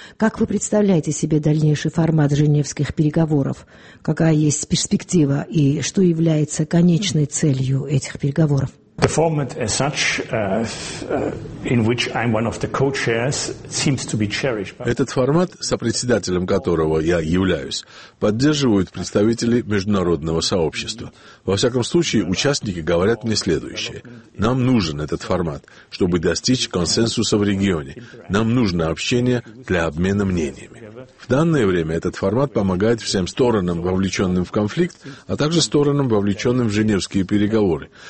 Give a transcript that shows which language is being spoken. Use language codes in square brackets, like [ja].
[ru] Как вы представляете себе дальнейший формат женевских переговоров? Какая есть перспектива и что является конечной целью этих переговоров? [en] The format as such, in which I'm one of the co-chairs, seems to be cherished. [ru] Этот формат, сопредседателем которого я являюсь, поддерживают представители международного сообщества. Во всяком случае, участники говорят мне следующее. Нам нужен этот формат, чтобы достичь консенсуса в регионе. Нам нужно общение для обмена мнениями. В данное время этот формат помогает всем сторонам, вовлеченным в конфликт, а также сторонам, вовлеченным в женевские переговоры.